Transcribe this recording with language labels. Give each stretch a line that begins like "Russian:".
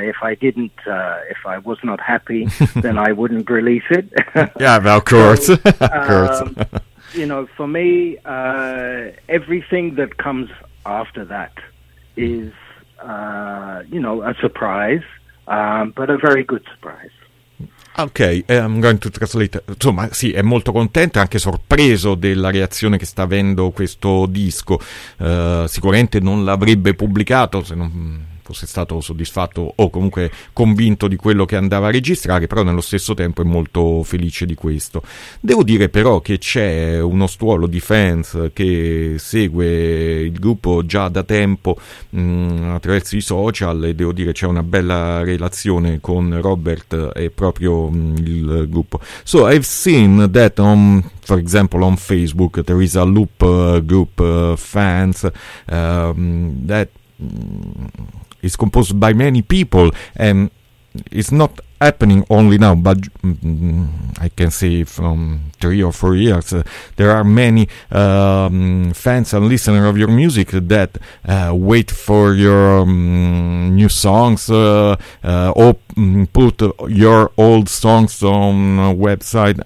English: If I was not happy, then I wouldn't release it. Yeah, well, of course. So, you know, for me, everything that comes after that is, you know, a surprise, but a very good surprise. Ok, I'm going to translate.
Italian: Insomma, sì, è molto contento e anche sorpreso della reazione che sta avendo questo disco. Sicuramente non l'avrebbe pubblicato se non fosse stato soddisfatto o comunque convinto di quello che andava a registrare, però nello stesso tempo è molto felice di questo. Devo dire però che c'è uno stuolo di fans che segue il gruppo già da tempo attraverso i social, e devo dire c'è una bella relazione con Robert e proprio il gruppo.
English: So I've seen that on, for example, on Facebook there is a Loop group fans that it's composed by many people, and it's not happening only now, but I can say from 3 or 4 years, there are many fans and listeners of your music that wait for your new songs, or put your old songs on website.